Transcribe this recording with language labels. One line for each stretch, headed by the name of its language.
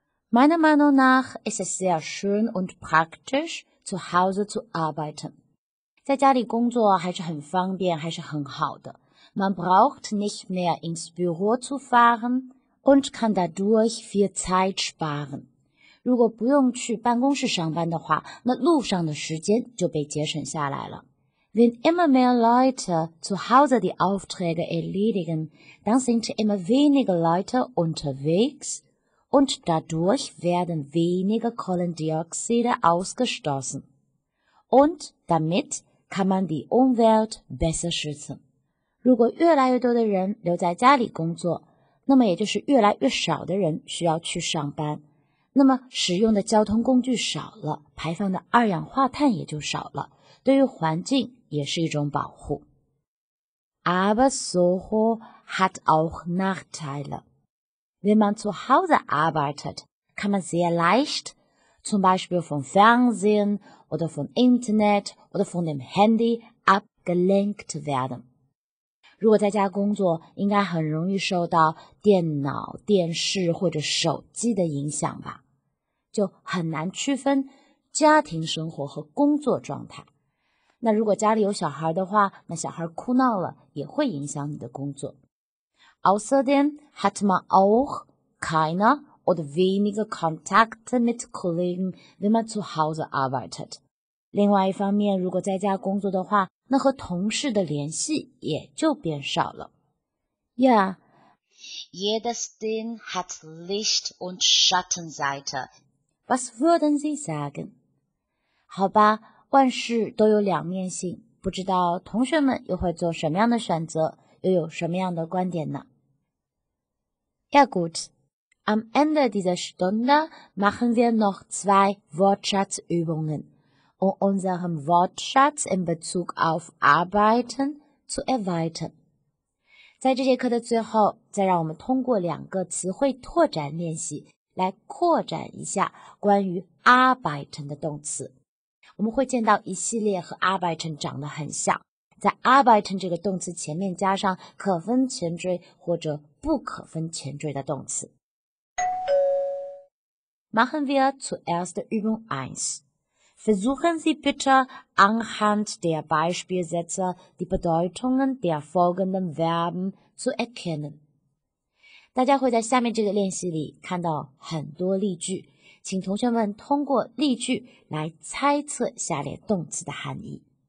German: Meiner Meinung nach ist es sehr schön und praktisch, zu Hause zu arbeiten.
Chinese: 在家里工作还是很方便，还是很好的。
German: Man braucht nicht mehr ins Büro zu fahren und kann dadurch viel Zeit sparen.
Chinese: 如果不用去办公室上班的话，那路上的时间就被节省下来了。
German: Wenn immer mehr Leute zu Hause die Aufträge erledigen, dann sind immer weniger Leute unterwegs und dadurch werden weniger Kohlendioxide ausgestoßen. Und damit kann man die Umwelt besser schützen.
Chinese: 如果越来越多的人留在家里工作，那么也就是越来越少的人需要去上班，那么使用的交通工具少了，排放的二氧化碳也就少了，对于环境也是一种保护。
German: Aber Soho hat auch Nachteile. Wenn man zu Hause arbeitet, kann man sehr leicht, zum Beispiel vom Fernsehen oder vom Internet oder von dem Handy abgelenkt werden.
Chinese: 如果在家工作，应该很容易受到电脑、电视或者手机的影响吧，就很难区分家庭生活和工作状态。那如果家里有小孩的话，那小孩哭闹了也会影响你的工作。
German: Außerdem hat man auch keine oder weniger Kontakte mit Kollegen, wenn man zu Hause arbeitet.
Chinese: 另外一方面，如果在家工作的话，那和同事的联系也就变少了。 Yeah,
German: jedes Ding hat Licht- und Schattenseite. Was würden Sie sagen?
Chinese: 好吧，万事都有两面性，不知道同学们又会做什么样的选择，又有什么样的观点呢？
German: Ja gut, am Ende dieser Stunde machen wir noch zwei Wortschatzübungen. Um unseren Wortschatz in Bezug auf Arbeiten zu erweitern.
Chinese: 在这节课的最后，再让我们通过两个词汇拓展练习，来扩展一下关于 Arbeiten 的动词。我们会见到一系列和 Arbeiten 长得很像，在 Arbeiten 这个动词前面加上可分前缀或者不可分前缀的动词。
German: Machen wir zuerst Übung 1. Versuchen Sie bitte anhand der Beispielsätze die Bedeutungen der folgenden Verben zu erkennen.
Chinese: 大家会在下面这个练习里看到很多例句，请同学们通过例句来猜测下列动词的含义。